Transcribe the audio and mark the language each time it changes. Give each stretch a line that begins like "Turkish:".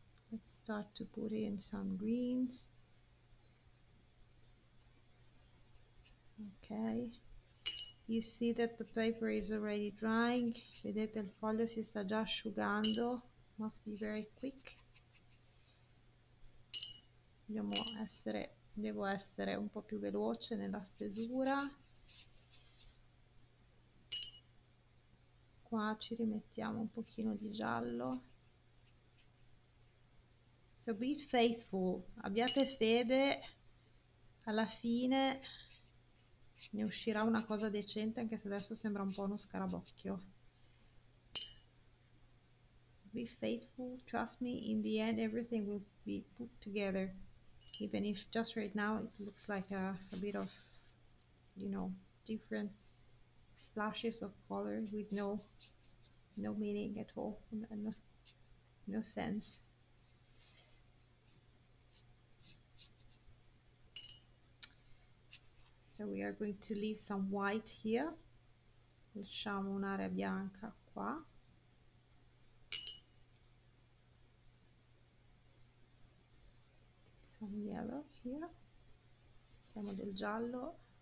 English: Let's start to put in some greens. Ok. You see that the paper is already drying.
Italian: Vedete il foglio si sta già asciugando.
English: Must be very quick.
Italian: Devo essere un po' più veloce nella stesura. Qua ci rimettiamo un pochino di giallo.
English: So be faithful,
Italian: abbiate fede alla fine ne uscirà una cosa decente, anche se adesso sembra un po' uno scarabocchio.
English: Be faithful, trust me, in the end everything will be put together. Even if just right now it looks like a bit of, different splashes of color with no meaning at all, and no sense. So we are going to leave some white here.
Italian: Lasciamo un'area bianca qua.
English: Some yellow here.
Italian: Siamo del giallo.